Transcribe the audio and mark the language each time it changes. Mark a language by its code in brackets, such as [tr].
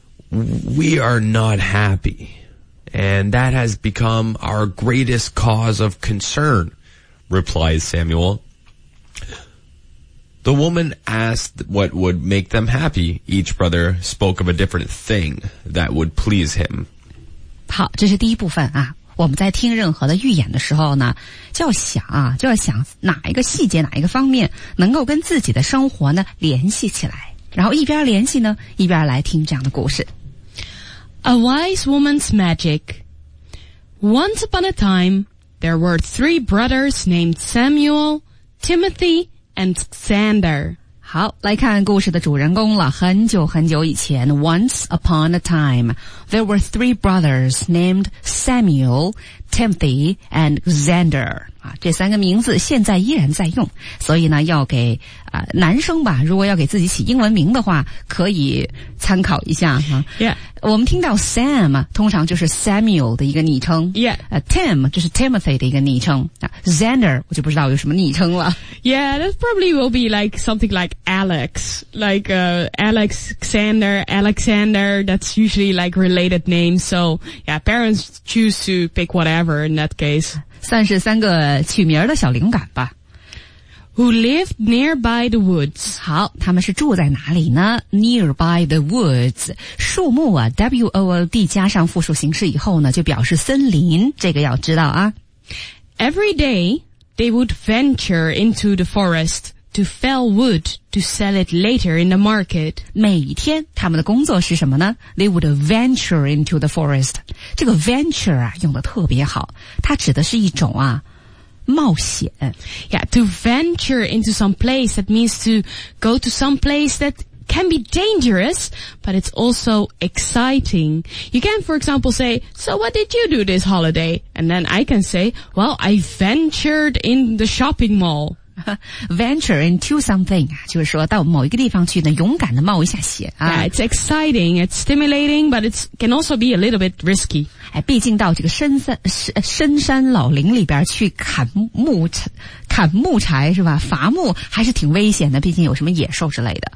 [en] "We are not happy, and that has become our greatest cause of concern," replies Samuel. The woman asked what would make them happy. Each brother spoke of a different thing that would please him. [zh] 好，这是第一部分啊。我们在听任何的预言的时候呢，就要想啊，就要想哪一个细节，哪一个方面能够跟自己的生活呢联系起来。然后一边联系呢，一边来听这样的故事。 [en] A wise woman's magic. Once upon a time, there were three brothers named Samuel, Timothy, and Xander. [zh] 好，来看故事的主人公了。很久很久以前 [en] ,once upon a time, there were three brothers named Samuel, Timothy, and Xander. [zh] 啊，这三个名字现在依然在用。所以呢要给男生吧，如果要给自己起英文名的话，可以参考一下。 [en] Yeah. [zh] 我们听到 Sam, 通常就是 Samuel 的一个昵称。 [en] Yeah. [zh] Tim, 就是 Timothy 的一个昵称。Xander, 我就不知道有什么昵称了。 [en] Yeah, that probably will be like something like Alex. Like, Alex, Xander, Alexander, that's usually like related names. So, yeah, parents choose to pick whatever in that case. [zh] 算是三个取名的小灵感吧。 [en] Who lived nearby the woods. [zh] 好，他们是住在哪里呢？ [en] Nearby the woods. [zh] 树木啊， W-O-O-D 加上复数形式以后呢，就表示森林，这个要知道啊。 [en] Every day, they would venture into the forest to fell wood to sell it later in the market. [zh] 每天他们的工作是什么呢？ [en] They would venture into the forest. [zh] 这个 venture 啊，用得特别好，它指的是一种啊冒险。 [en] Yeah, to venture into some place, that means to go to some place that can be dangerous, but it's also exciting. You can, for example, say, so what did you do this holiday? And then I can say, well, I ventured in the shopping mall. Venture into something, [zh] 就是说到某一个地方去呢，勇敢地冒一下险。 [en] Yeah, it's exciting, it's stimulating, but it can also be a little bit risky. [zh] 毕竟到这个深山老林里边去砍木柴是吧，伐木还是挺危险的，毕竟有什么野兽之类的。